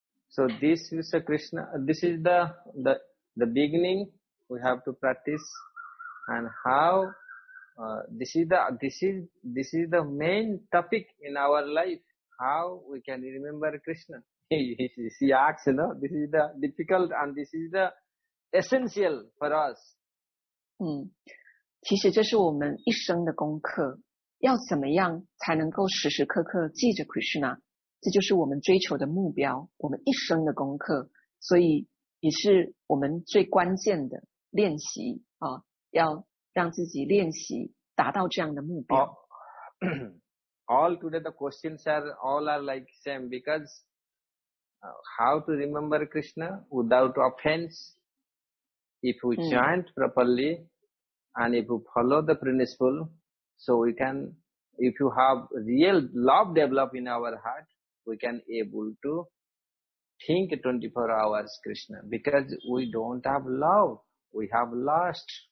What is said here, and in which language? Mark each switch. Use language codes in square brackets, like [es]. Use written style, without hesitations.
[en] So this is a Krishna, this is the beginning we have to practice, and how this is the main topic in our life, how we can remember Krishna. He asks, you know, this is the difficult and this is the essential for us. [zh] 其实这是我们一生的功课。要怎么样才能够时时刻刻记着 Krishna， 这就是我们追求的目标，我们一生的功课，所以也是我们最关键的练习啊，要让自己练习达到这样的目标。 [en] All today the questions are all are like same, because how to remember Krishna without offense if we chant properly And if you follow the principle, so we can, if you have real love developed in our heart, we can able to think 24 hours Krishna, because we don't have love, we have lust.